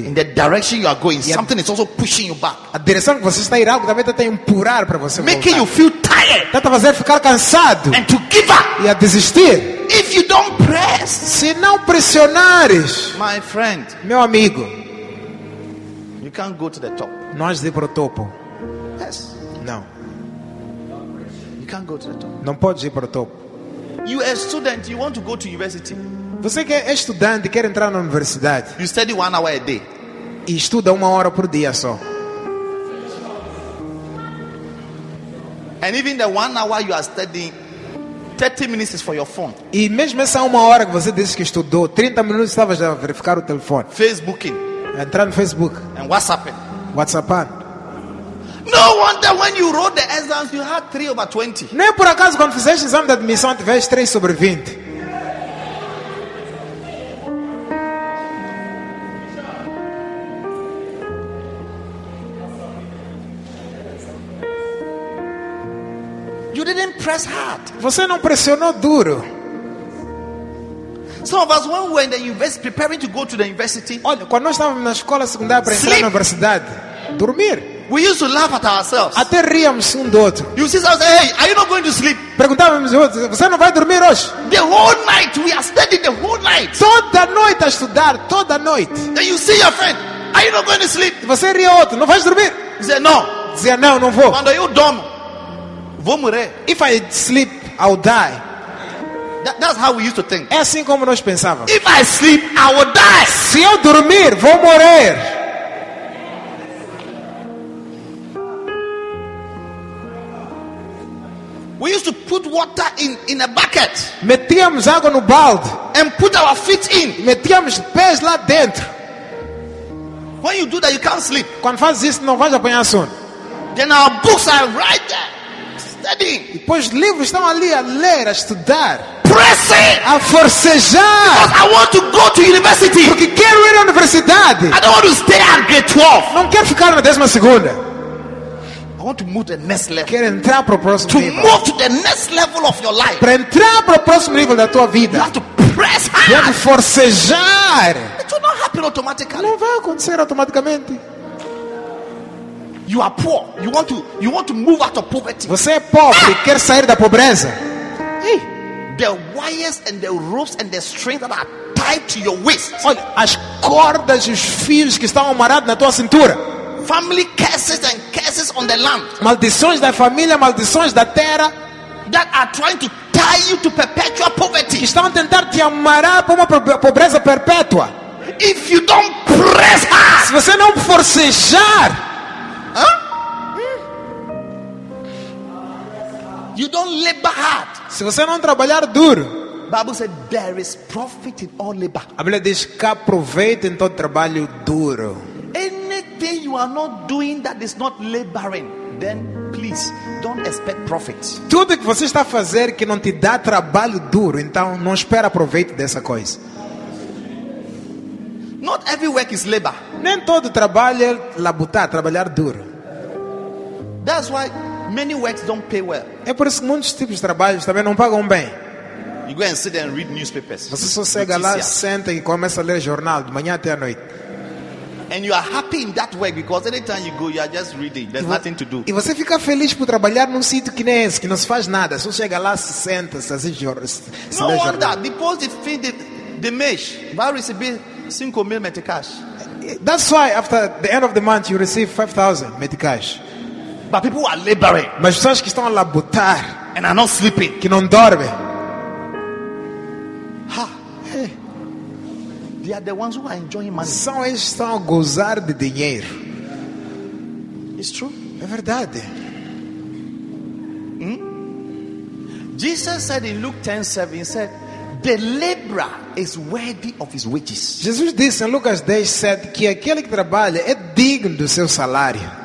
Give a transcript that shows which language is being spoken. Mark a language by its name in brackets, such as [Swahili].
[English] In the direction you are going, something is also pushing you back. [Portuguese] A direção que você está a ir, algo também está a empurrar para você. [English] Making [Portuguese] voltar. [English] You feel tired. [Portuguese] Está a fazer ficar cansado. [English] And to give up. [Portuguese] E a desistir. [English] If you don't press. [Portuguese] Se não pressionares. [English] My friend. [Portuguese] Meu amigo. [English] You can't go to the top. [Portuguese] Não has de ir para o topo. [English] Yes. [Portuguese] Não. [English] You can't go to the top. [Portuguese] Não podes ir para o topo. [English] You are a student, you want to go to university. [Portuguese] Você que é estudante, quer entrar na universidade. [English] You study 1 hour a day. [Portuguese] E estuda uma hora por dia só. [English] And even the 1 hour you are studying, 30 minutes is for your phone. [Portuguese] E mesmo essa uma hora que você disse que estudou, 30 minutos estava já a verificar o telefone. [English] Facebooking. [Portuguese] Entrar no Facebook. [English] And WhatsApping. [Portuguese] WhatsApping. [English] No wonder when you wrote the exams you had 3 over 20. [Portuguese] Nem por acaso quando fizeste o exame de admissão tiveste 3 sobre 20. [English] You didn't press hard. [Portuguese] Você não pressionou duro. [English] Some of us when we were in the university preparing to go to the university. [Portuguese] Olha, quando nós estávamos na escola secundária para entrar na universidade, dormir. [English] We used to laugh at ourselves. [Portuguese] Até ríamos um do outro. [English] You see, someone say, "Hey, are you not going to sleep?" [Portuguese] Perguntávamos ao outro, "Você não vai dormir hoje?" [English] The whole night we are studying the whole night. [Portuguese] Toda noite a estudar, toda noite. [English] Then you see your friend, "Are you not going to sleep?" [Portuguese] Você ria ao outro, "Não vais dormir?" [English] He said, "No." [Portuguese] Dizia, "Não, não vou." Quando eu dormo, vou morrer. [English] If I sleep, I'll die. That's how we used to think. [Portuguese] É assim como nós pensávamos. [English] If I sleep, I will die. [Portuguese] Se eu dormir, vou morrer. [English] We used to put water in a bucket. [Portuguese] Metíamos água no balde. [English] and put our feet in. [Portuguese] Metíamos pés lá dentro. [English] When you do that, you can't sleep. [Portuguese] Quando faz isso, não vais apanhar sono. [English] Then our books are right there, studying. [Portuguese] Depois os livros estão ali a ler, a estudar. [English] Pressing. [Portuguese] A forcejar. [English] Because I want to go to university. [Portuguese] Porque quero ir à universidade. [English] I don't want to stay at grade 12. [Portuguese] Não quero ficar na 12ª. [English] I want to move to the next level. [Portuguese] Quero entrar para o próximo [English] to [Portuguese] nível. [English] Move to the next level of your life. [Portuguese] Para entrar para o próximo nível da tua vida. [English] You have to press hard. [Portuguese] Deve forcejar. [English] It will not happen automatically. [Portuguese] Não vai acontecer automaticamente. [English] You are poor. You want to move out of poverty. [Portuguese] Você é pobre e quer sair da pobreza. [English] Hey, the wires and the ropes and the strings that are tied to your waist. [Portuguese] Olha, as cordas e os fios que estão amarrados na tua cintura. [English] Family curses and curses on the land. [Portuguese] Maldições da família, maldições da terra. [English] That are trying to tie you to perpetual poverty. [Portuguese] Estão a tentar te amarrar para uma pobreza perpétua. [English] If you don't press hard. [Portuguese] Se você não forcejar. [English] You don't labor hard. [Portuguese] Se você não trabalhar duro. [English] Bible said there is profit in all labor. [Portuguese] A Bíblia diz que há proveito em todo trabalho duro. [English] Anything you are not doing that is not laboring, then please don't expect profit. [Portuguese] Tudo que você está a fazer que não te dá trabalho duro, então não espera proveito dessa coisa. [English] Not every work is labor. [Portuguese] Nem todo trabalho é labutar, trabalhar duro. [English] That's why many works don't pay well. [Portuguese] É por isso que muitos tipos de trabalhos também não pagam bem. [English] You go and sit and read newspapers. [Portuguese] Você só chega lá, senta e começa a ler jornal de manhã até à noite. [English] And you are happy in that work because anytime you go, you are just reading. There's nothing to do. [Portuguese] E você fica feliz por trabalhar num sítio que nem esse, que não se faz nada. Só chega lá, se senta, se lê jornal. [English] No wonder, deposit fee the mesh. [Portuguese] Vai receber 5 mil meticais. [English] That's why after the end of the month, you receive 5,000 meticais. But people are laboring. [Portuguese] Mas pessoas que estão a labutar. [English] And are not sleeping. [Portuguese] Que não dormem. Ha! [English] They are the ones who are enjoying money. [Portuguese] São eles que estão a gozar de dinheiro. [English] It's true. [Portuguese] É verdade. [English] Jesus said in Luke 10:7, he said, the laborer is worthy of his wages. [Portuguese] Jesus disse em Lucas 10:7 que aquele que trabalha é digno do seu salário.